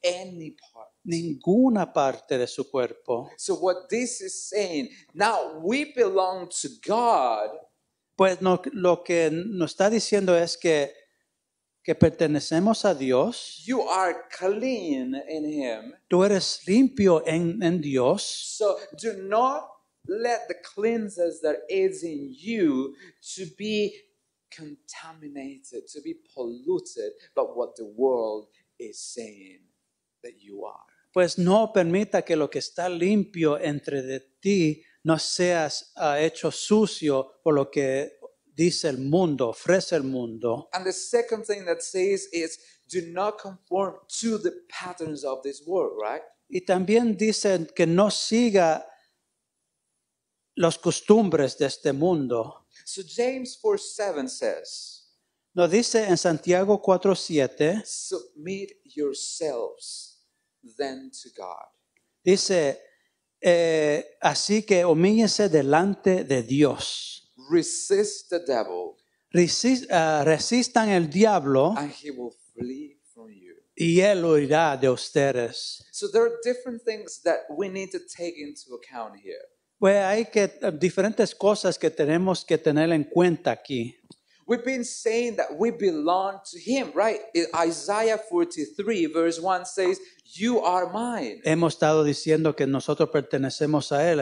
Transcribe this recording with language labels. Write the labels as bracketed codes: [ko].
[en] Any part. [es] Ninguna parte de su cuerpo. [en] So what this is saying, now we belong to God. [es] Pues no, lo que nos está diciendo es que pertenecemos a Dios. [en] You are clean in him. [es] Tú eres limpio en Dios. [en] So do not let the cleanses that is in you to be contaminated, to be polluted by what the world is saying that you are. [es] Pues no permita que lo que está limpio entre de ti no seas hecho sucio por lo que dice el mundo, ofrece el mundo. [en] And the second thing that says is, do not conform to the patterns of this world, right? [es] Y también dice que no siga los costumbres de este mundo. [en] So James 4:7 says, [es] nos dice en Santiago 4:7, [en] submit yourselves then to God. [es] Dice, así que humíllese delante de Dios. [en] Resist the devil. [es] Resistan el diablo. [en] And he will flee from you. [es] Y él huirá de ustedes. [en] So there are different things that we need to take into account here. [es] Pues hay que diferentes cosas que tenemos que tener en cuenta aquí. [en] We've been saying that we belong to him, right? Isaiah 43:1 says, you are mine. [es] Hemos estado diciendo que nosotros pertenecemos a él.